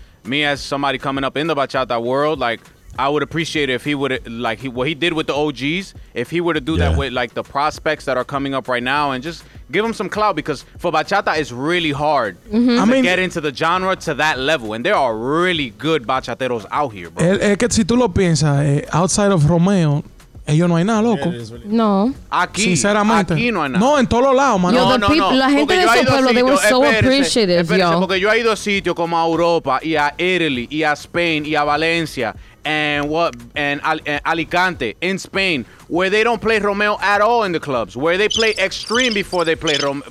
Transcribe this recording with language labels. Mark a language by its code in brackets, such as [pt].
[en] Me, as somebody coming up in the bachata world, like, I would appreciate it if he would, like, what he did with the OGs, if he were to do that with, like, the prospects that are coming up right now and just give him some clout, because for bachata, it's really hard to get into the genre to that level. And there are really good bachateros out here, bro. [es] Es que si tú lo piensas, [en] outside of Romeo, [es] ellos no hay nada, loco. No. Aquí. Sinceramente. Aquí no hay nada. No, en todos los lados, man. [en] Yo, the people, [es] la gente de ese pueblo, [en] they were so appreciative, yo. [es] Porque yo he ido a sitios como a Europa, y a Italy, y a Spain, y a Valencia, [en] and Alicante in Spain, where they don't play Romeo at all in the clubs, where they play Extreme before they play Romeo.